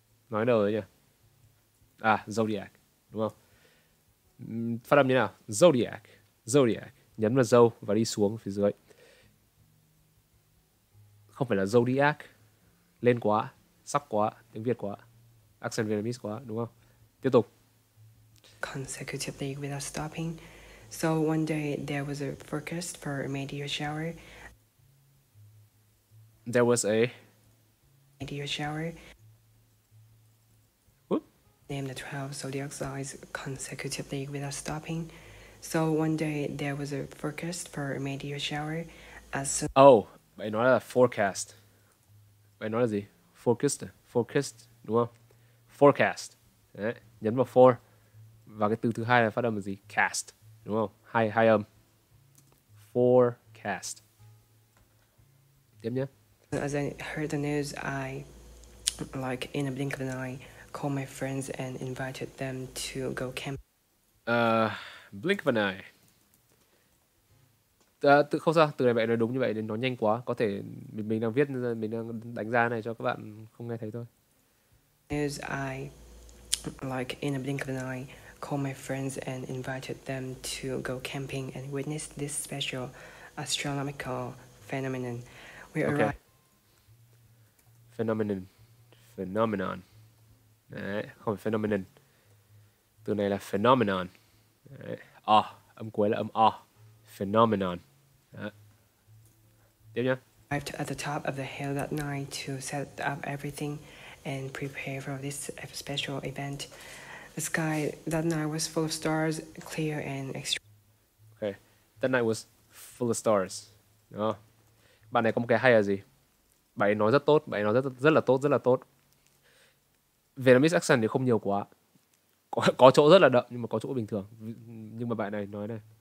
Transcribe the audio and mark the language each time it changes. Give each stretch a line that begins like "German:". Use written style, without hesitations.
Vietnamese: Nói đâu đấy nhỉ? À, Zodiac, đúng không? Phát âm như nào? Zodiac, Zodiac, nhấn vào dâu và đi xuống phía dưới. Không phải là Zodiac, lên quá, sắc quá, tiếng Việt quá,
English: accent Vietnamese
Vietnamese: quá, đúng không? Tiếp tục.
English: Consecutively without stopping. So one day there was a forecast for a meteor shower. There was a meteor shower. Whoop. Name the 12 zodiac signs consecutively without stopping. So one day there was a forecast for a meteor shower. As soon...
Vietnamese: Oh, bài nói là forecast. Bài nói là gì? Forecast. Forecast, đúng không? Forecast. Đấy. Nhấn vào for. Và cái từ thứ hai là phát âm là gì? Cast, đúng không? Hai âm. Forecast. Tiếp nhé.
English: As I heard the news, I, like, in a blink of an eye, called my friends and invited them to go camp. Blink of an eye.
Vietnamese: Không sao, từ này bạn nói đúng như vậy nên nó nhanh quá. Có thể mình đang viết, mình đang đánh ra này cho các bạn không nghe thấy thôi.
English: News, I, like, in a blink of an eye, called my friends and invited them to go camping and witness this special astronomical phenomenon. We okay. Arrived. Phenomenon. Phenomenon.
Vietnamese: Đấy, không phải phenomenon. Từ này là phenomenon. Đấy. Ah, âm cuối là âm ah. Phenomenon. Đấy. Tiếp nhé.
English: Arrived at the top of the hill that night to set up everything and prepare for this special event. The sky that night was full of stars, clear and extreme. Okay, that night was full of stars.
Vietnamese: Đó. Bạn này có một cái hay là gì? Bạn ấy nói rất tốt, bạn ấy nói rất là tốt, rất là tốt.
English: Vietnamese accent
Vietnamese: thì không nhiều quá. Có chỗ rất là đậm, nhưng mà có chỗ bình thường. Nhưng mà bạn này nói này.